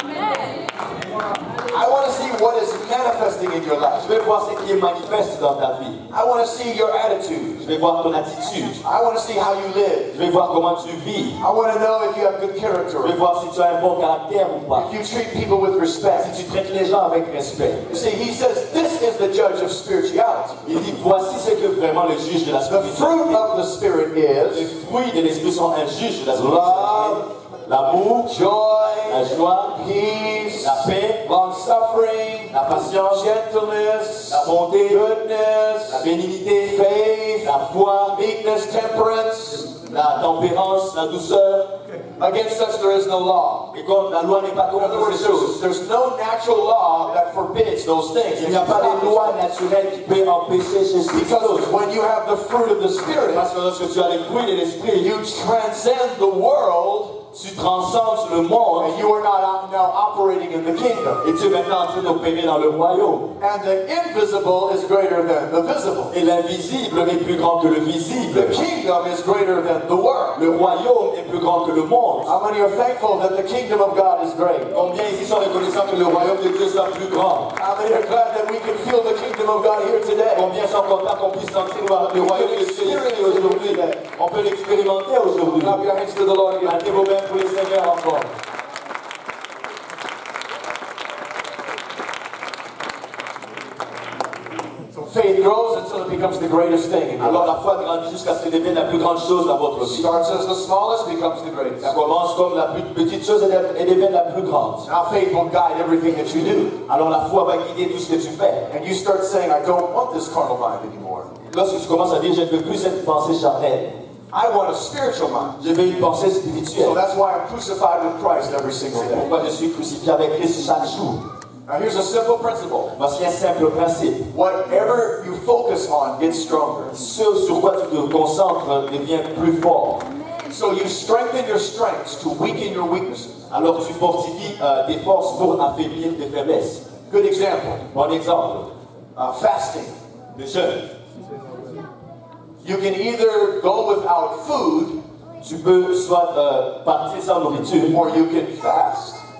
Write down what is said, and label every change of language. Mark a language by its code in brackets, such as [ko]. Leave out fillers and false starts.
[en] I want to see what is manifesting in your life. [fr] Je veux voir ce qui est manifeste dans ta vie. [en] I want to see your attitude. [fr] Je veux voir ton attitude. [en] I want to see how you live. [fr] Je veux voir comment tu vis. [en] I want to know if you have good character. [fr] Je veux voir si tu as un bon caractère ou pas. [en] If you treat people with respect. [fr] Si tu traites les gens avec respect. [en] You see, he says, this is the judge of spirituality. [fr] Il dit, voici ce que vraiment le juge de la spiritualité. [en] The fruit of the spirit is. [fr] Le fruit de l'esprit sont un juge de la spiritualité. L'amour, [en] joy, [fr] la joie, [en] peace, [fr] la paix, [en] long suffering, [fr] la patience, [en] gentleness, [fr] la bonté, [en] goodness, [fr] la bénignité, [en] faith, [fr] la foi, [en] meekness, temperance, [fr] la tempérance, la douceur. [en] Against such there is no law. Because [fr] la loi n'est pas contre ces choses. [en] There's no natural law that forbids those things. [fr] Il n'y a pas de loi naturelle qui peut empêcher ces choses. [en] When you have the fruit of the spirit, [fr] parce que tu as les fruits de l'esprit, [en] you transcend the world. [fr] Tu transcends le monde. [en] And you are not now operating in the kingdom. [fr] Et tu es maintenant en train d'opérer dans le royaume. [en] And the invisible is greater than the visible. [fr] Et l'invisible est plus grand que le visible. [en] The kingdom is greater than the world. [fr] Le royaume est plus grand que le monde. [en] How many are thankful that the kingdom of God is great? [fr] Combien ici sont reconnaissants que le royaume de Dieu soit plus grand? [en] How many are glad that we can feel the kingdom of God here today? [fr] Combien sont contents qu'on puisse sentir le royaume de Dieu ici aujourd'hui? On peut l'expérimenter aujourd'hui. [en] Clap your hands to the Lord. [fr] Mettez vos mains pour le Seigneur encore. [en] Faith grows until it becomes the greatest thing. [fr] Alors la foi grandit jusqu'à ce qu'elle devienne la plus grande chose dans votre vie. [en] Starts as the smallest, becomes the greatest. [fr] Ça commence comme la plus petite chose et devient la plus grande. [en] Now faith will guide everything that you do. [fr] Alors la foi va guider tout ce que tu fais. [en] And you start saying, I don't want this carnal mind anymore. [fr] Lorsque tu commences à dire, je ne veux plus cette pensée charnelle. [en] I want a spiritual mind. [fr] Je veux une pensée spirituelle. [en] So that's why I'm crucified with Christ every single day. [fr] Pourquoi je suis crucifié avec Christ chaque jour. [en] Now here's a simple principle. [fr] Voici un simple principe. [en] Whatever you focus on gets stronger. [fr] Ce sur quoi tu te concentres devient plus fort. [en] So you strengthen your strengths to weaken your weaknesses. [fr] Alors tu fortifies tes forces pour affaiblir tes faiblesses. [en] Good example. [fr] Bon exemple. [en] Fasting. [fr] Le jeûne. [en] You can either go without food. [fr] Tu peux soit partir sans nourriture. [en] Or you can fast.